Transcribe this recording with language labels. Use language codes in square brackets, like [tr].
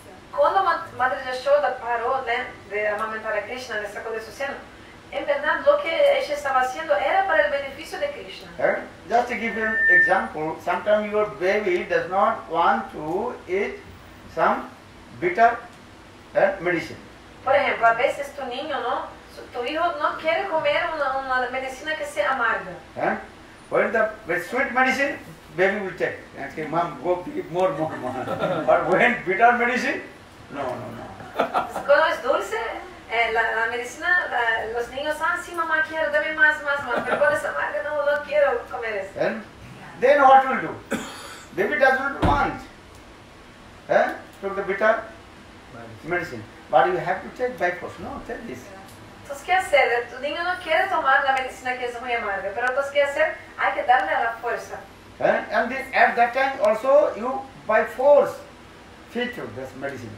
[es] Cuando Madre Yashoda paró de amamentar a Krishna, le sacó de su seno, en verdad lo que ella estaba haciendo era para el beneficio de Krishna. [en] Just to give you an example, sometimes your baby does not want to eat some bitter medicine. [es] Por ejemplo, a veces tu niño, ¿no? Tu hijo no quiere comer una medicina que sea amarga. [en] When the sweet medicine, baby will take. And say, mom, go eat more. But when bitter medicine, no. [es] Cuando es dulce, la medicina, los niños, sí, mamá, quiero, dame más. Pero cuando es amarga, no quiero comer eso. [en] Then what will do? Baby doesn't want. Took the bitter medicine. But you have to take by force. No, take this. [es] Entonces, ¿qué hacer? Tu niño no quiere tomar la medicina que es muy amarga. Pero entonces, ¿qué hacer? Hay que darle la fuerza. [en] And this, at that time also, you by force feed you this medicine.